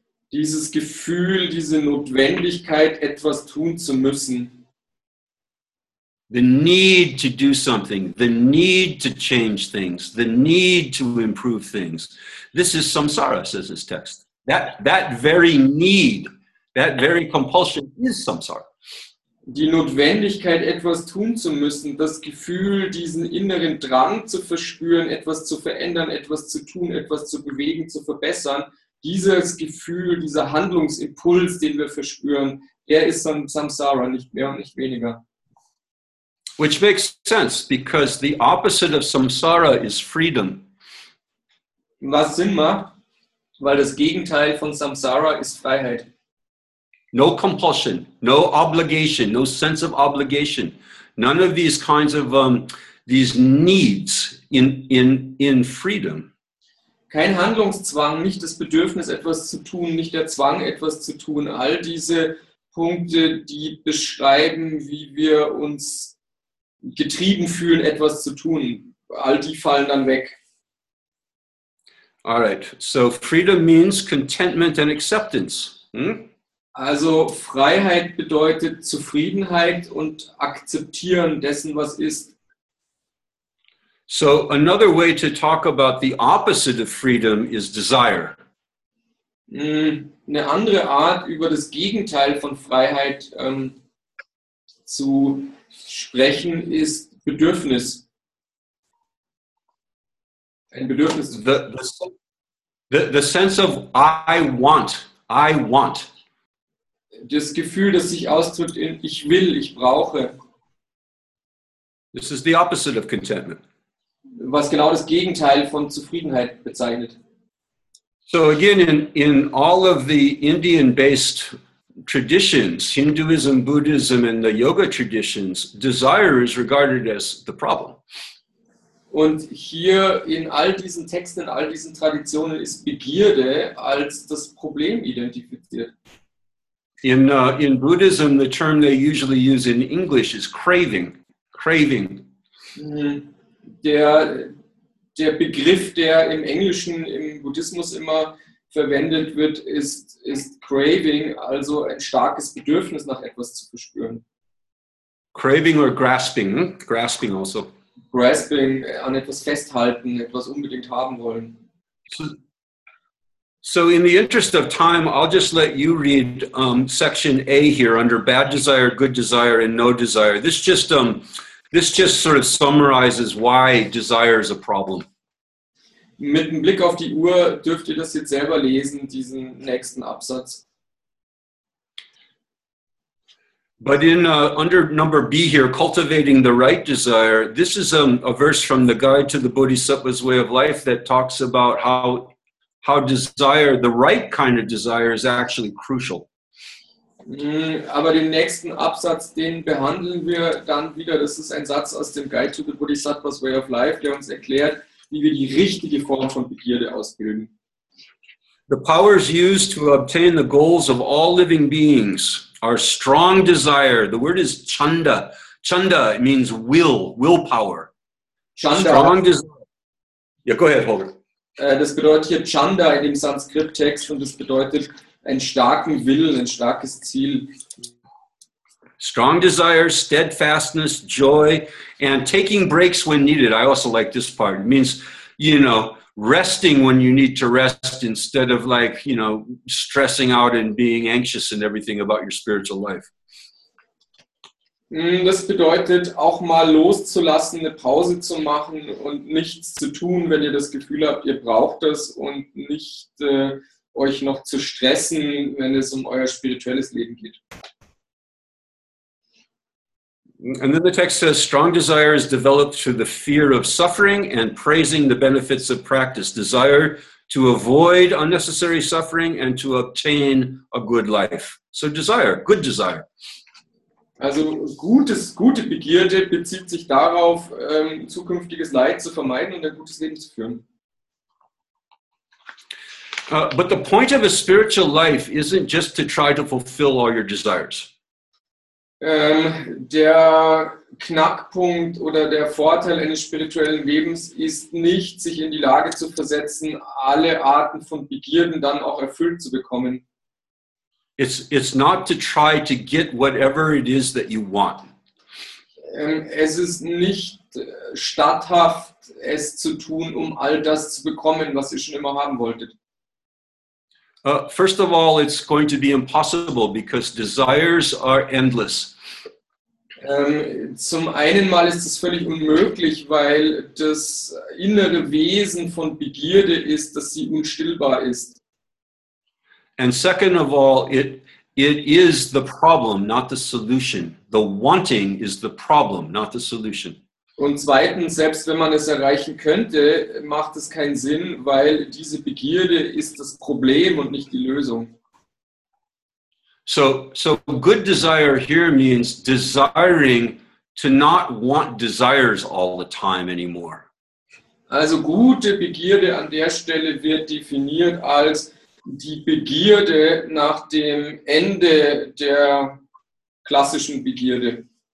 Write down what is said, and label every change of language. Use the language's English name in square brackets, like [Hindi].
[German] Dieses Gefühl, diese Notwendigkeit, etwas tun zu müssen. [English] The need to do something, the need to change things, the need to improve things. This is samsara, says this text. That very need, that very compulsion is samsara. [German] Die Notwendigkeit, etwas tun zu müssen, das Gefühl, diesen inneren Drang zu verspüren, etwas zu verändern, etwas zu tun, etwas zu bewegen, zu verbessern, dieses Gefühl, dieser Handlungsimpuls, den wir verspüren, der ist dann Samsara, nicht mehr und nicht weniger. [English] Which makes sense, because the opposite of Samsara is freedom. [German] Was Sinn macht, weil das Gegenteil von Samsara ist Freiheit. [English] No compulsion, no obligation, no sense of obligation. None of these kinds of these needs in freedom. [German] Kein Handlungszwang, nicht das Bedürfnis, etwas zu tun, nicht der Zwang, etwas zu tun. All diese Punkte, die beschreiben, wie wir uns getrieben fühlen, etwas zu tun, all die fallen dann weg. [English] All right, so freedom means contentment and acceptance. [German] Also Freiheit bedeutet Zufriedenheit und Akzeptieren dessen, was ist. [English] So another way to talk about the opposite of freedom is desire. [German] Eine andere Art, über das Gegenteil von Freiheit zu sprechen, ist Bedürfnis. Ein Bedürfnis. [English] The sense of I want. [German] Das Gefühl, das sich ausdrückt in ich will, ich brauche. [English] This is the opposite of contentment. [German] Was genau das Gegenteil von Zufriedenheit bezeichnet. [English] So again, in all of the Indian-based traditions, Hinduism, Buddhism and the yoga traditions, desire is regarded as the problem. [German] Und hier in all diesen Texten, in all diesen Traditionen ist Begierde als das Problem identifiziert. [English] In Buddhism, the term they usually use in English is craving. Craving. [German] Der Begriff, der im Englischen, im Buddhismus immer verwendet wird, ist craving, also ein starkes Bedürfnis nach etwas zu verspüren. [English] Craving or grasping? Grasping also. [German] Grasping, an etwas festhalten, etwas unbedingt haben wollen. [English] So in the interest of time, I'll just let you read section A here under bad desire, good desire, and no desire. This just sort of summarizes why desire is a problem. [German] Mit dem Blick auf die Uhr dürft ihr das jetzt selber lesen, diesen nächsten Absatz. [English] But in under number B here, cultivating the right desire, this is a verse from the Guide to the Bodhisattva's Way of Life that talks about how desire, the right kind of desire, is actually crucial. [German] Aber den nächsten Absatz, den behandeln wir dann wieder. Das ist ein Satz aus dem Guide to the Bodhisattva's Way of Life, der uns erklärt, wie wir die richtige Form von Begierde ausbilden. [English] The powers used to obtain the goals of all living beings are strong desire. The word is chanda. Chanda means will, willpower. Chanda. Strong desire. Yeah, go ahead, Holger. [German] Das bedeutet hier Chanda in dem Sanskrit-Text und das bedeutet einen starken Willen, ein starkes Ziel. [English] Strong desire, steadfastness, joy and taking breaks when needed. I also like this part. It means you know, resting when you need to rest instead of like, you know, stressing out and being anxious and everything about your spiritual life. [German] Das bedeutet, auch mal loszulassen, eine Pause zu machen und nichts zu tun, wenn ihr das Gefühl habt, ihr braucht das, und nicht euch noch zu stressen, wenn es um euer spirituelles Leben geht. [English] And then the text says, strong desire is developed through the fear of suffering and praising the benefits of practice. Desire to avoid unnecessary suffering and to obtain a good life. So desire, good desire. [German] Also gute Begierde bezieht sich darauf, zukünftiges Leid zu vermeiden und ein gutes Leben zu führen. [English] But the point of a spiritual life isn't just to try to fulfill all your desires. [German] Der Knackpunkt oder der Vorteil eines spirituellen Lebens ist nicht, sich in die Lage zu versetzen, alle Arten von Begierden dann auch erfüllt zu bekommen. [English] It's not to try to get whatever it is that you want. [German] Es ist nicht statthaft, es zu tun, um all das zu bekommen, was ihr schon immer haben wolltet. [English] First of all, it's going to be impossible because desires are endless. [German] Zum einen mal ist es völlig unmöglich, weil das innere Wesen von Begierde ist, dass sie unstillbar ist. [English] And second of all, it is the problem, not the solution. The wanting is the problem, not the solution. [German] Und zweitens, selbst wenn man es erreichen könnte, macht es keinen Sinn, weil diese Begierde ist das Problem und nicht die Lösung. [English] So good desire here means desiring to not want desires all the time anymore. [German] Also gute Begierde an der Stelle wird definiert als die Begierde nach dem Ende der klassischen Begierde.